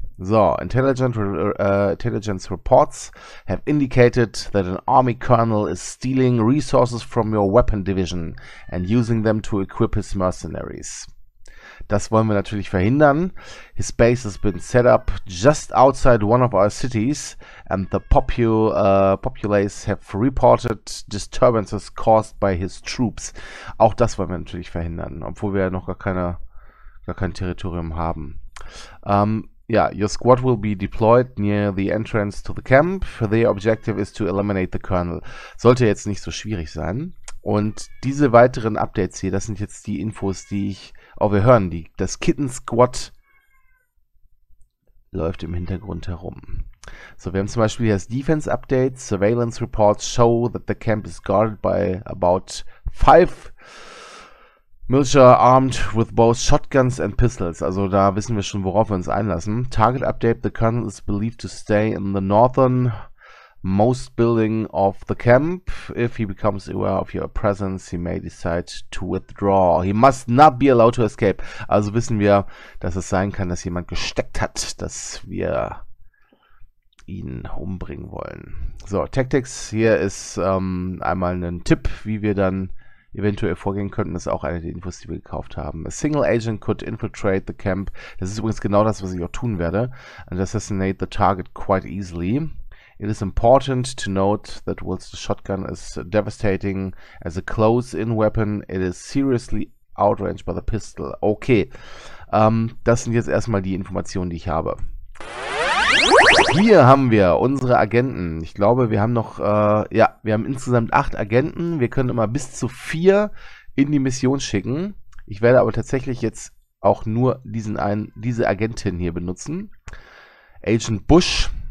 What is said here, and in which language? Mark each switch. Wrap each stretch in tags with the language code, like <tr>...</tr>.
<en>So, Intelligence Reports have indicated that an Army Colonel is stealing resources from your weapon division and using them to equip his mercenaries.</en> <de>Das wollen wir natürlich verhindern.</de> <en>His base has been set up just outside one of our cities and the populace have reported disturbances caused by his troops.</en> <de>Auch das wollen wir natürlich verhindern, obwohl wir ja noch gar kein Territorium haben.</de> <en>Ja, your squad will be deployed near the entrance to the camp. Their objective is to eliminate the Colonel.</en> <de>Sollte jetzt nicht so schwierig sein. Und diese weiteren Updates hier, das sind jetzt die Infos, die ich. Oh, wir hören die. Das Kitten Squad läuft im Hintergrund herum. So, wir haben zum Beispiel hier das Defense Update.</de> <en>Surveillance reports show that the camp is guarded by about 5 militia armed with both shotguns and pistols.</en> <de>Also da wissen wir schon, worauf wir uns einlassen.</de> <en>Target update, the colonel is believed to stay in the northern most building of the camp. If he becomes aware of your presence, he may decide to withdraw. He must not be allowed to escape.</en> <de>Also wissen wir, dass es sein kann, dass jemand gesteckt hat, dass wir ihn umbringen wollen. So, Tactics, hier ist einmal ein Tipp, wie wir dann eventuell vorgehen könnten. Das ist auch eine der Infos, die wir gekauft haben.</de> <en>A single agent could infiltrate the camp.</en> <de>Das ist übrigens genau das, was ich auch tun werde.</de> <en>And assassinate the target quite easily. It is important to note that whilst the shotgun is devastating as a close-in weapon, it is seriously outranged by the pistol.</en> <de>Okay, das sind jetzt erstmal die Informationen, die ich habe. Hier haben wir unsere Agenten. Ich glaube, wir haben noch, ja, wir haben insgesamt 8 Agenten. Wir können immer bis zu 4 in die Mission schicken. Ich werde aber tatsächlich jetzt auch nur diese Agentin hier benutzen. Agent Bush.</de>